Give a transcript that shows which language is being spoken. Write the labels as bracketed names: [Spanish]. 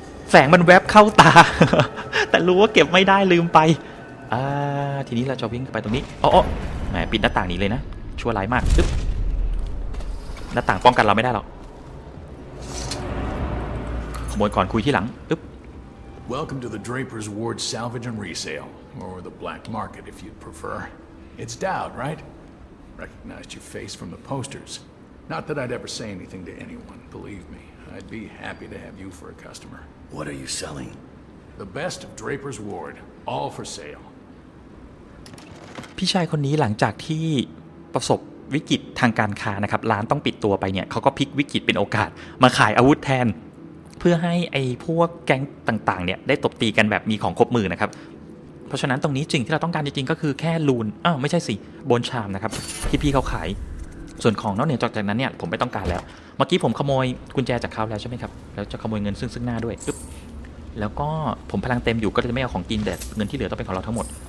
[Thai] แฝงมันแวบเข้าตาแต่รู้ว่าเก็บไม่ได้ลืมไปทีนี้เราจะวิ่งไปตรงนี้โอ้โหแหมปิดหน้าต่างนี้เลยนะชั่วร้ายมากหน้าต่างป้องกันเราไม่ได้หรอกขโมยก่อนคุยที่หลังอึ๊บ [English] Welcome to the Draper's Ward Salvage and Resale or the Black Market if you'd prefer It's Dowd, right? Recognized your face from the posters Not that I'd ever say anything to anyone believe me I'd be happy to have you for a customer What are you selling? The best of Draper's Ward all for sale [Thai] พี่ชายคนนี้หลังจากที่ประสบวิกฤตทางการค้านะครับร้านต้องปิดตัวไปเนี่ยเขาก็พลิกวิกฤตเป็นโอกาสมาขายอาวุธแทนเพื่อให้ไอ้พวกแก๊งต่างๆเนี่ยได้ตบตีกันแบบมีของครบมือนะครับเพราะฉะนั้นตรงนี้จริงที่เราต้องการจริงๆก็คือแค่ลูนอ้าวไม่ใช่สิโบนชามนะครับที่พี่เขาขายส่วนของนอกเหนือจากนั้นเนี่ยผมไม่ต้องการแล้วเมื่อกี้ผมขโมยกุญแจจากเขาแล้วใช่ไหมครับแล้วจะขโมยเงินซึ่งหน้าด้วยแล้วก็ผมพลังเต็มอยู่ก็จะไม่เอาของกินแต่เงินที่เหลือต้องเป็นของเราทั้งหมด